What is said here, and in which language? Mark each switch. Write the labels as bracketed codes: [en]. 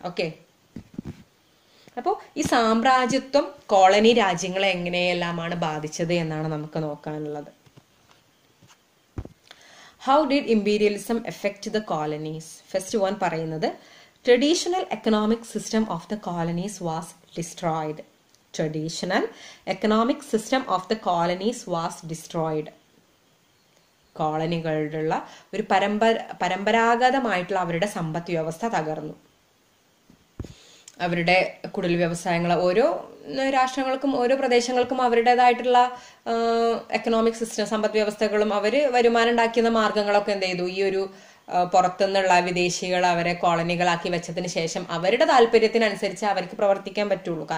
[ml] Okay, അപ്പോൾ ഈ സാമ്രാജ്യത്വം കോളനി രാജ്യങ്ങളെ എങ്ങനെയെല്ലാമാണ് ബാധിച്ചത് എന്നാണ് നമുക്ക് നോക്കാനുള്ളത്. [en] How did imperialism affect the colonies? First one പറയുന്നത്, traditional economic system of the colonies was destroyed. Traditional economic system of the colonies was destroyed. [ml] കോളനികളുടെ ഒരു പരമ്പരാഗതമായിട്ടുള്ള അവരുടെ സമ്പദ് വ്യവസ്ഥ തകർന്നു. അവരുടെ കുടിൽ വ്യവസായങ്ങൾ, ഓരോ രാഷ്ട്രങ്ങൾക്കും ഓരോ പ്രദേശങ്ങൾക്കും അവരുടേതായിട്ടുള്ള എക്കണോമിക് സിസ്റ്റം, സമ്പദ് വ്യവസ്ഥകളും, അവർ വരുമാനം ഉണ്ടാക്കിയ മാർഗങ്ങളൊക്കെ എന്ത് ചെയ്തു, ഈ ഒരു പുറത്തുനിന്നുള്ള വിദേശികൾ അവരെ കോളനികളാക്കി വെച്ചതിന് ശേഷം അവരുടെ താല്പര്യത്തിനനുസരിച്ച് അവർക്ക് പ്രവർത്തിക്കാൻ പറ്റുള്ളൂ.